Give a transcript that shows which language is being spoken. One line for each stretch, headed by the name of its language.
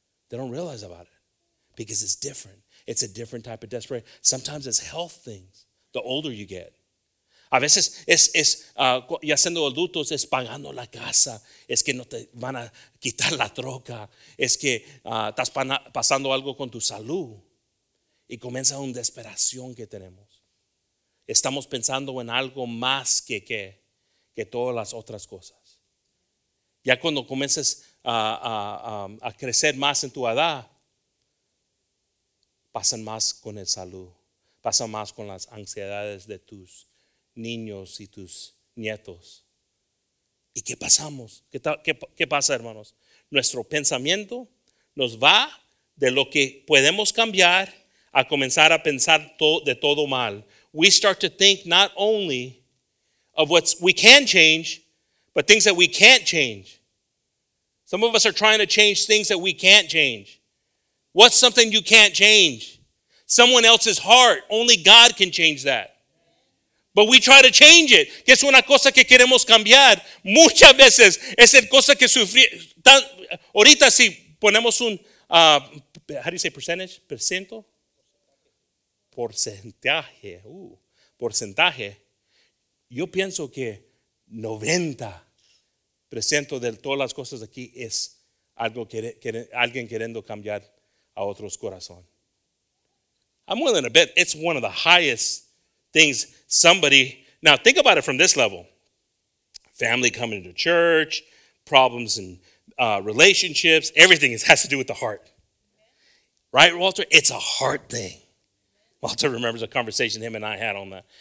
English: They don't realize about it because it's different. It's a different type of desperation. Sometimes it's health things, the older you get.
Spanish: A veces ya siendo adultos, es pagando la casa, es que no te van a quitar la troca, es que estás pasando algo con tu salud y comienza una desesperación que tenemos. Estamos pensando en algo más que todas las otras cosas. Ya cuando comiences a crecer más en tu edad, pasan más con el salud, pasan más con las ansiedades de tus niños y tus nietos. ¿Y qué pasamos? ¿Qué pasa, hermanos? Nuestro pensamiento nos va de lo que podemos cambiar a comenzar a pensar de todo mal.
English: We start to think not only of what we can change, but things that we can't change. Some of us are trying to change things that we can't change. What's something you can't change? Someone else's heart. Only God can change that. But we try to change it.
Spanish: Que es una cosa que queremos cambiar. Muchas veces es el cosa que sufrí. Ahorita si ponemos un,
English: how do you say percentage? Percento?
Spanish: Porcentaje. Porcentaje. Yo pienso que 90% de todas las cosas aquí es algo alguien queriendo cambiar a otros corazón.
English: I'm willing to bet it's one of the highest things somebody, now think about it from this level. Family coming to church, problems in relationships, everything has to do with the heart. Right, Walter? It's a heart thing. Walter remembers a conversation him and I had on that.